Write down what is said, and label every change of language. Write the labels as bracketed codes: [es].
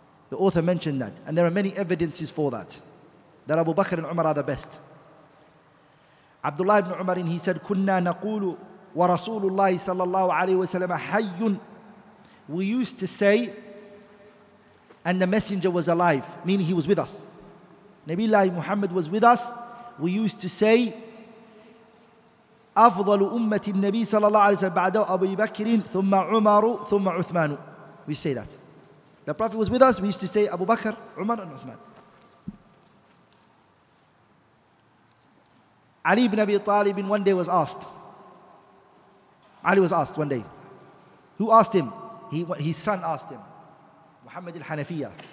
[en] The author mentioned that, and there are many evidences for that, that Abu Bakr and Umar are the best. Abdullah ibn Umar, he said, [ar] كُنَّا نَقُولُ وَرَسُولُ اللَّهِ صَلَّى اللَّهُ عَلَيْهِ وَسَلَّمَ حَيٌّ. [en] We used to say, and the messenger was alive, meaning he was with us. Nabi Muhammad was with us. We used to say, [ar] أفضل أمة النبي صلى الله عليه وسلم بعد أبي بكر ثم عمر ثم عثمان. [en] We say that. The Prophet was with us. We used to say Abu Bakr, Umar and Uthman. Ali ibn Abi Talib one day was asked. Ali was asked one day. Who asked him? His son asked him. Muhammad al-Hanafiya.